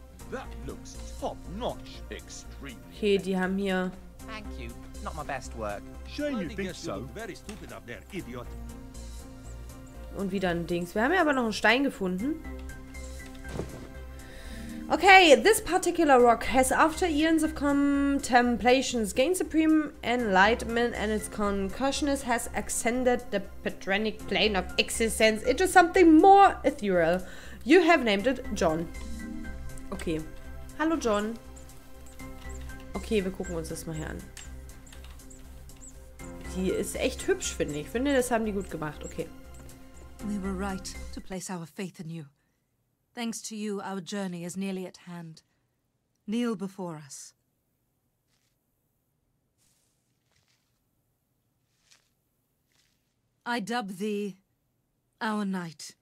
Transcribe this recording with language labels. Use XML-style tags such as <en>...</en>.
<en>That looks top-notch, extremely.</en> <de>Okay, die haben hier.</de> <en>Thank you. Not my best work. Shame you think so. Very stupid up there, idiot.</en> <de>Und wieder ein Dings. Wir haben ja aber noch einen Stein gefunden.</de> <en>Okay, this particular rock has after eons of contemplations gained supreme enlightenment and its concussiveness has ascended the patronic plane of existence into something more ethereal. You have named it John. Okay.</en> <de>Hallo John. Okay, wir gucken uns das mal hier an. Die ist echt hübsch, finde ich. Ich finde, das haben die gut gemacht. Okay.</de> <en>We were right to place our faith in you. Thanks to you, our journey is nearly at hand. Kneel before us. I dub thee our knight.</en>